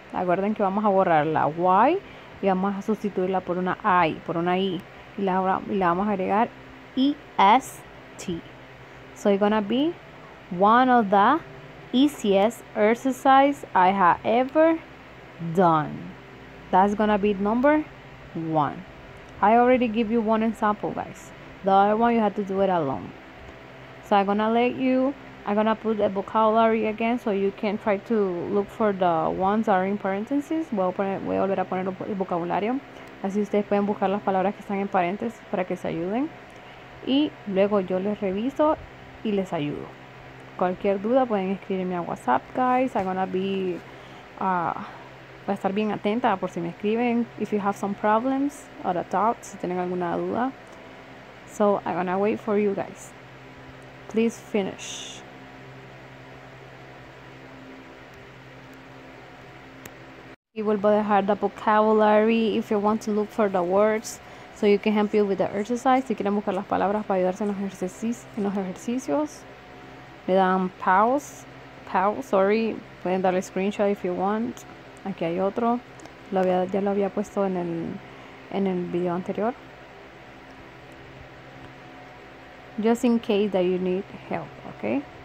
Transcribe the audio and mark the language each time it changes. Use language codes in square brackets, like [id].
[es] Acuerden que vamos a borrar la Y y vamos a sustituirla por una I, por una I. Y la vamos a agregar E-S-T. [en] So it's gonna be one of the easiest exercise I have ever done. That's gonna be number one. I already give you one example, guys. The other one you have to do it alone. So I'm gonna put the vocabulary again so you can try to look for the ones that are in parentheses. [es] Voy a volver a poner el vocabulario. Así ustedes pueden buscar las palabras que están en paréntesis para que se ayuden. Y luego yo les reviso y les ayudo. Cualquier duda pueden escribirme a WhatsApp, guys. Voy a estar bien atenta por si me escriben. [en] If you have some problems or a doubt, [es] si tienen alguna duda. [en] So I'm gonna wait for you guys. Please finish. [es] Y vuelvo a dejar [en] the vocabulary if you want to look for the words so you can help you with the exercise. [es] Si quieren buscar las palabras para ayudarse en los ejercicios, le dan pause, pueden darle screenshot [en] if you want. [es] Aquí hay otro, ya lo había puesto en el video anterior. [en] Just in case that you need help, okay?